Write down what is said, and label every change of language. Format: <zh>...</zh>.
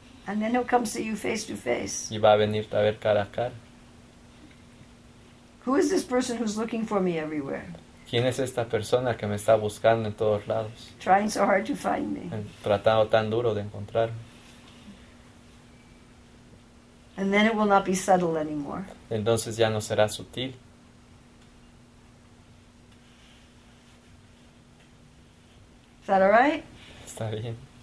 <en>And then he'll come see you face to face.</en> <es>Y va a venirte a ver cara a cara.</es> <en>Who is this person who's looking for me everywhere?</en> <es>¿Quién es esta persona que me está buscando en todos lados?</es> <en>Trying so hard to find me.</en> <es>Tratando tan duro de encontrarme.</es> <en>And then it will not be subtle anymore.</en> <es>Entonces ya no será sutil.</es> <en>Is that all right?</en> <es>Está bien.</es>